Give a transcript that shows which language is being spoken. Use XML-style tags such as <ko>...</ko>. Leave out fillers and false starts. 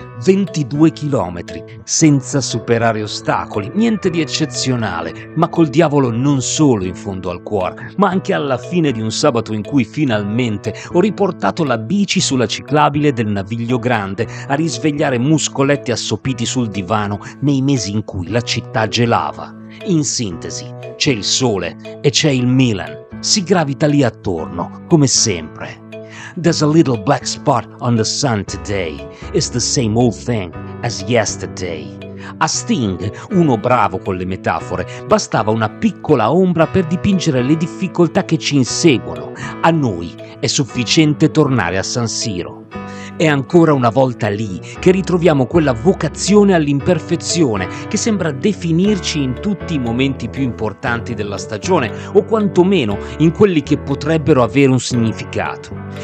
<it>22 chilometri, senza superare ostacoli, niente di eccezionale, ma col diavolo non solo in fondo al cuore, ma anche alla fine di un sabato in cui finalmente ho riportato la bici sulla ciclabile del Naviglio Grande a risvegliare muscoletti assopiti sul divano nei mesi in cui la città gelava. In sintesi, c'è il sole e c'è il Milan, si gravita lì attorno, come sempre.</it> <en>There's a little black spot on the sun today. It's the same old thing as yesterday.</en> <it>A Sting, uno bravo con le metafore, bastava una piccola ombra per dipingere le difficoltà che ci inseguono. A noi è sufficiente tornare a San Siro. È ancora una volta lì che ritroviamo quella vocazione all'imperfezione che sembra definirci in tutti i momenti più importanti della stagione, o quantomeno in quelli che potrebbero avere un significato.</it>